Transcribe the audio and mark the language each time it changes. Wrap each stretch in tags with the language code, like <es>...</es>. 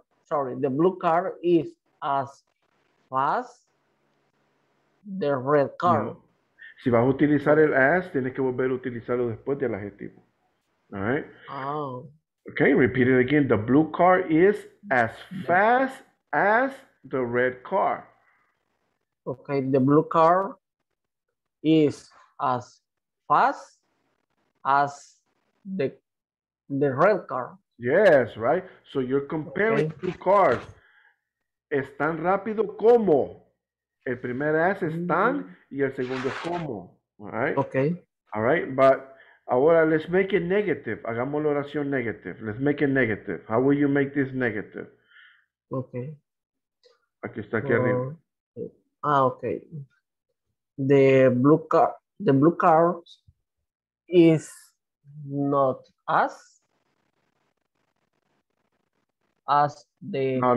<en>The blue car is as fast the red car. No.</en> <es>Si vas a utilizar el as, tienes que volver a utilizarlo después del adjetivo.</es> <en>All right. Oh. Okay, repeat it again. The blue car is as fast as the red car. Okay, the blue car is as fast as the red car. Yes, right? So you're comparing two cars.</en> <es>Es tan rápido como. El primer as es tan y el segundo es como.</es> <en>All right. Okay. All right, but</en> <es>ahora,</es> <en>let's make it negative.</en> <es>Hagamos la oración</es> <en>negative. Let's make it negative. How will you make this negative? Okay.</en> <es>Aquí está, aquí arriba.</es> <en>Okay. Ah, okay. The blue car is not as the car.</en>